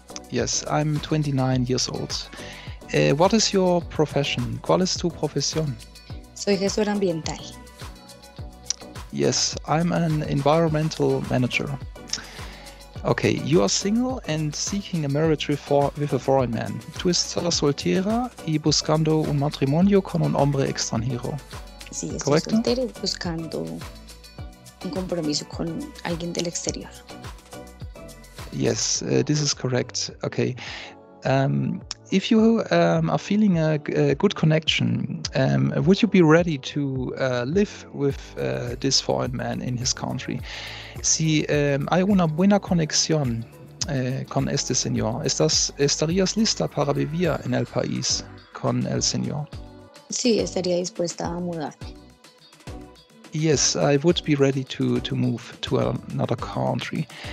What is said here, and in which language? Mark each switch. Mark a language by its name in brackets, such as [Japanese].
[English] Yes, I'm 29 years old. What is your profession? [Spanish] ¿Cuál es tu profesión? Soy gestor ambiental. [English] Yes, I'm an environmental manager. Okay, you are single and seeking a marriage with a foreign man. [Spanish] Tú estás soltera y buscando un matrimonio con un hombre extranjero. Sí, estoy soltera y buscando un compromiso con alguien del exterior. [English] Yes, this is correct. Okay. If you are feeling a good connection, would you be ready to live with this foreign man in his country? [Spanish] Si hay una buena conexión con este señor, ¿estarías lista para vivir en el país con el señor? Sí, estaría dispuesta a mudar. [English] Yes, I would be ready to move to another country.